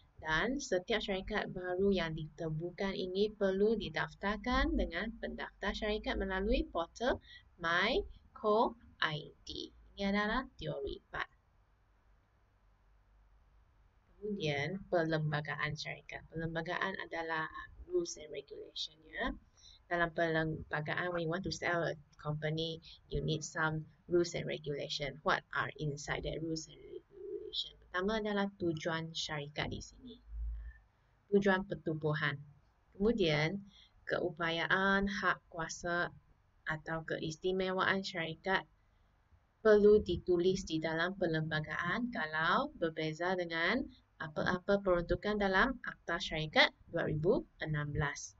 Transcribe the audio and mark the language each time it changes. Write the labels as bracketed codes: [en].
[ms] Dan setiap syarikat baru yang diterbukan ini perlu didaftarkan dengan pendaftar syarikat melalui portal MyCoID. Ini adalah teori 4. Kemudian, perlembagaan syarikat. Perlembagaan adalah [en] rules and regulation. [ms] Ya. Dalam perlembagaan, [en] when you want to sell a company, you need some rules and regulation. What are inside that rules and regulation? [ms] Pertama adalah tujuan syarikat di sini. Tujuan pertubuhan. Kemudian, keupayaan, hak kuasa atau keistimewaan syarikat perlu ditulis di dalam perlembagaan kalau berbeza dengan apa-apa peruntukan dalam Akta Syarikat 2016.